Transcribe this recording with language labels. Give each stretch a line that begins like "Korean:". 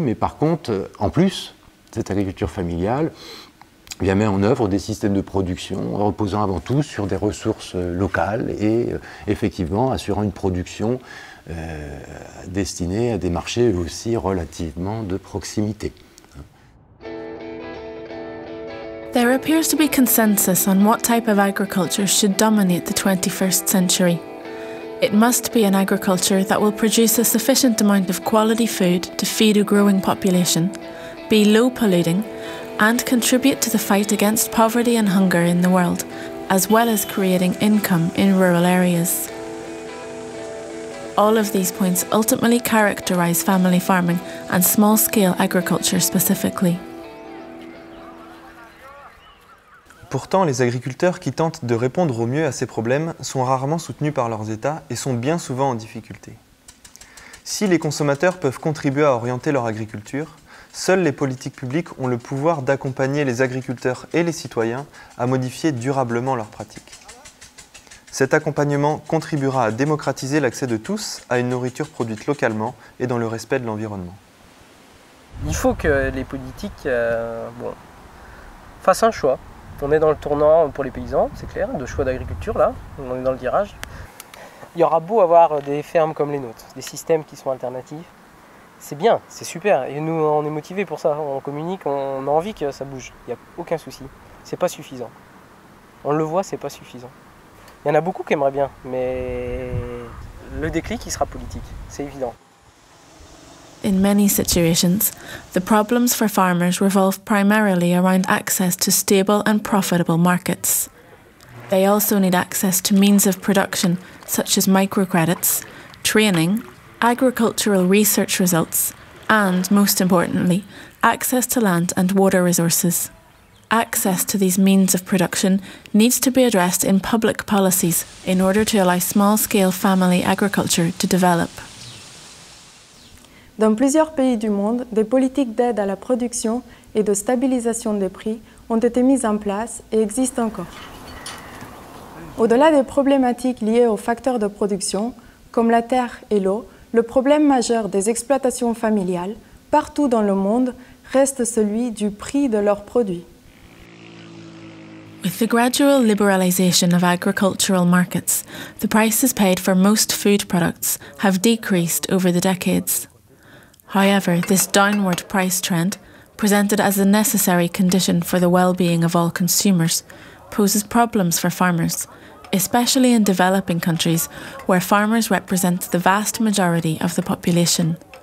French: Mais par contre, en plus, cette agriculture familiale bien met en œuvre des systèmes de production reposant avant tout sur des ressources locales et effectivement assurant une production destinée à des marchés aussi relativement de proximité.
English: There appears to be consensus on what type of agriculture should dominate the 21st century. It must be an agriculture that will produce a sufficient amount of quality food to feed a growing population, be low polluting, and contribute to the fight against poverty and hunger in the world, as well as creating income in rural areas. All of these points ultimately characterize family farming and small-scale agriculture specifically.
French: Pourtant, les agriculteurs qui tentent de répondre au mieux à ces problèmes sont rarement soutenus par leurs États et sont bien souvent en difficulté. Si les consommateurs peuvent contribuer à orienter leur agriculture, seules les politiques publiques ont le pouvoir d'accompagner les agriculteurs et les citoyens à modifier durablement leurs pratiques. Cet accompagnement contribuera à démocratiser l'accès de tous à une nourriture produite localement et dans le respect de l'environnement. Il faut que les politiques fassent un choix. On est dans le tournant pour les paysans, c'est clair, de choix d'agriculture là, on est dans le virage. Il y aura beau avoir des fermes comme les nôtres, des systèmes qui sont alternatifs, c'est bien, c'est super, et nous on est motivés pour ça, on communique, on a envie que ça bouge, il n'y a aucun souci, c'est pas suffisant. On le voit, c'est pas suffisant. Il y en a beaucoup qui aimeraient bien, mais le déclic il sera politique, c'est évident.
English: In many situations, the problems for farmers revolve primarily around access to stable and profitable markets. They also need access to means of production, such as microcredits, training, agricultural research results, and, most importantly, access to land and water resources. Access to these means of production needs to be addressed in public policies in order to allow small-scale family agriculture to develop.
French: Dans plusieurs pays du monde, des politiques d'aide à la production et de stabilisation des prix ont été mises en place et existent encore. Au-delà des problématiques liées aux facteurs de production, comme la terre et l'eau, le problème majeur des exploitations familiales, partout dans le monde, reste celui du prix de leurs produits.
English: With the gradual liberalization of agricultural markets, the prices paid for most food products have decreased over the decades. However, this downward price trend, presented as a necessary condition for the well-being of all consumers, poses problems for farmers, especially in developing countries where farmers represent the vast majority of the population.